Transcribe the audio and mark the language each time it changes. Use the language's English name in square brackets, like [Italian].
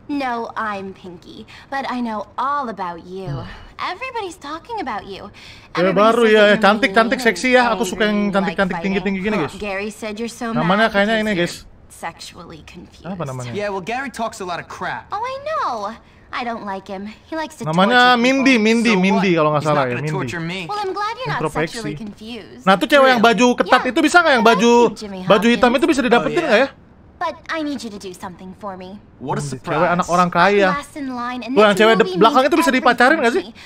[English] No, I'm Pinky, but I know all about you. Everybody's talking about you. Everybody [Indonesian] baru ya, cantik, seksi ya. Aku suka yang cantik, tinggi gini guys. Gary said you're so namanya kayaknya ini guys. Sexually confused. Apa namanya? [English] Yeah, well Gary talks a lot of crap. Oh I know. I don't like him. He likes to [Indonesian] namanya Mindy kalau nggak salah ya, Mindy. [English] Well, I'm glad you're not sexually confused. [Indonesian] Nah, tuh cewek yang baju ketat itu bisa nggak yang baju hitam itu bisa didapetin nggak ya? [English] But I need you to do something for me. What a surprise. [Indonesian] Cewek anak orang kaya. Wah, yang cewek belakang itu bisa dipacarin nggak sih?